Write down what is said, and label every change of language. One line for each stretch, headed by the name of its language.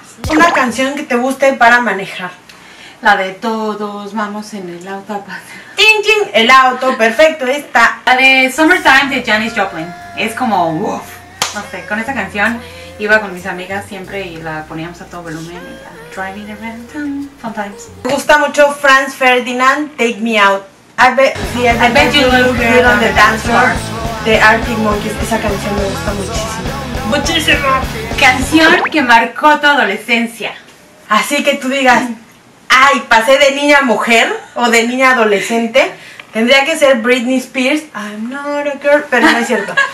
Spanish: Una canción que te guste para manejar. La de todos vamos en el auto a pasar. ¡Ting, ting! El auto, perfecto, está. La de Summertime de Janis Joplin. Es como... Uf, no sé, con esa canción... Iba con mis amigas siempre y la poníamos a todo volumen.
English: Driving around town, sometimes.
Spanish: Me gusta mucho Franz Ferdinand, Take Me Out.
English: I bet you look good on the dance floor.
Spanish: De Arctic Monkeys, esa canción me gusta muchísimo. Muchísimo. Canción que marcó tu adolescencia. Así que tú digas, ay, pasé de niña a mujer o de niña a adolescente. Tendría que ser Britney Spears, I'm not a girl, pero no es cierto.